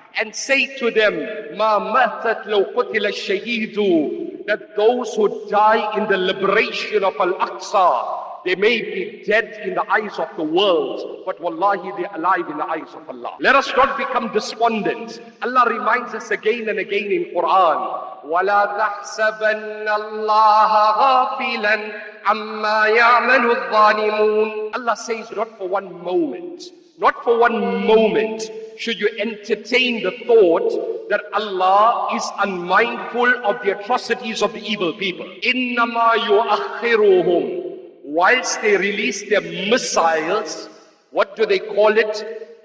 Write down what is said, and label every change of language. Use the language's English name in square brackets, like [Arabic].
[English] And say to them, [Arabic] Ma matat law qutila shaheedu. [English] That those who die in the liberation of Al-Aqsa, they may be dead in the eyes of the world, but wallahi, they're alive in the eyes of Allah. Let us not become despondent. Allah reminds us again and again in Quran, [Arabic] ولا تحسبن الله غافلا عما يعمل الظالمون. [English] Allah says, not for one moment, not for one moment should you entertain the thought that Allah is unmindful of the atrocities of the evil people. [Arabic] إنما يؤخرهم. [English] Whilst they release their missiles, what do they call it?